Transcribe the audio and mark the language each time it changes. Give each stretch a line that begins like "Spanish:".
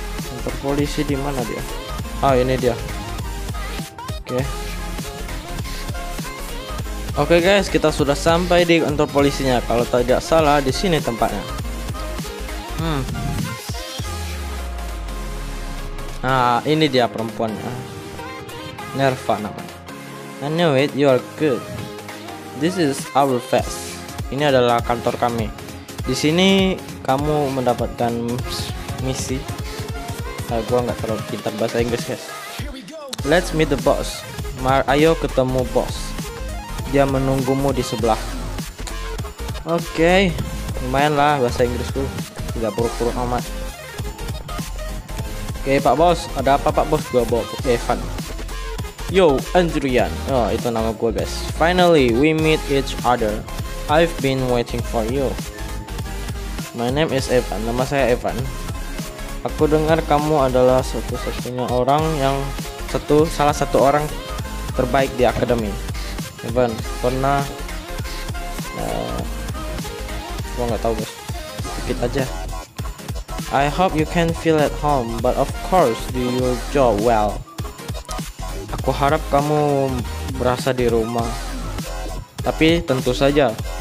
Indonesian: Kantor polisi di mana dia? Ah, ini dia. Oke. Okay. Oke, guys, kita sudah sampai di kantor polisinya. Kalau tidak salah, di sini tempatnya. Nah, ini dia perempuannya. Nerva namanya.
English: I knew it, you are good. This is our fest.
Indonesian: Ini adalah kantor kami. Di sini kamu mendapatkan misi. Nah, gua nggak terlalu pintar bahasa Inggris guys.
English: Let's meet the boss.
Indonesian: Ayo ketemu boss. Dia menunggumu di sebelah. Oke, okay. Lumayan lah bahasa Inggrisku. Tidak buruk-buruk amat. Oke, okay, Pak Bos, ada apa Pak Bos? Gua bawa ke Evan.
English: Yo, Andrian.
Indonesian: Oh, itu nama gua guys.
English: Finally, we meet each other. I've been waiting for you. My name is Evan.
Indonesian: Nama saya Evan. Aku dengar kamu adalah salah satu orang terbaik di akademi. Evan, pernah? Gua nggak tahu bos. Sedikit aja.
English: I hope you can feel at home, but of course do your job well.
Indonesian: Aku harap kamu berasa di rumah. Tapi tentu saja.